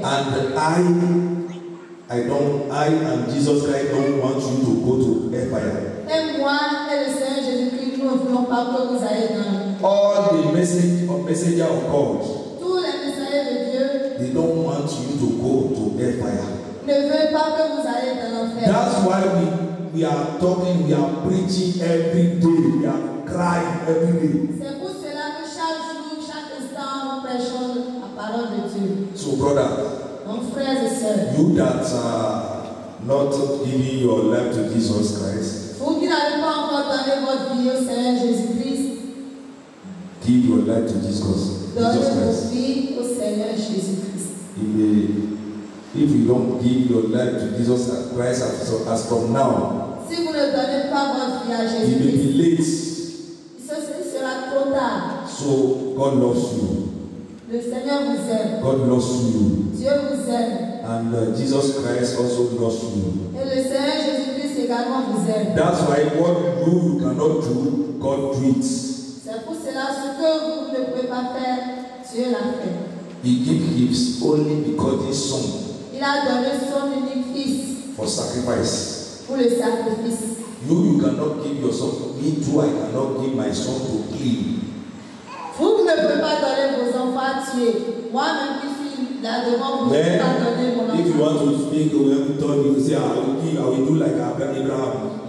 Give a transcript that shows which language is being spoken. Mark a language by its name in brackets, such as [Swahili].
[English] And I and Jesus Christ don't want you to go to hell fire. [French] Et moi et le Seigneur Jésus-Christ, nous ne voulons pas que vous alliez dans l'enfer. [English] All the messenger of God, [French] tous les messagers de Dieu, [English] they don't want you to go to hellfire. [French] Ne veulent pas que vous alliez dans l'enfer. [English] That's why we are talking, we are preaching every day, we are crying every day. [French] C'est pour cela que chaque jour, chaque instant, nous prêchons la parole de Dieu. [English] So, brother, [French] mon frère et soeur, [English] you that are not giving your life to Jesus Christ, [French] vous qui n'avez pas encore donné votre vie au Seigneur Jésus Christ, [English] give your life to Jesus Christ. [French] Au Seigneur Jésus Christ. [English] If you don't give your life to Jesus Christ as from now, [French] si vous ne donnez pas votre vie à Jésus, [English] it may be late. [French] Ce sera trop tard. [English] So God loves you. [French] Le Seigneur vous aime. [English] God loves you. [French] Dieu vous aime. [English] And Jesus Christ also loves you. [French] Et le Seigneur Jésus Christ également vous aime. [English] That's why what you cannot do, God do it. [French] C'est pour cela ce que vous ne pouvez pas faire, Dieu l'a fait. [English] He gave his only begotten son. [French] Il a donné son unique fils. [English] For sacrifice. [French] Pour le sacrifice. [English] You cannot give your son to me too. I cannot give my son to him. [French] Vous ne pouvez pas donner vos enfants à tuer. Moi même qui suis là devant vous, je ne peux pas donner mon enfant. [English] If you want to speak, we have to talk, you say, I will do like Abraham.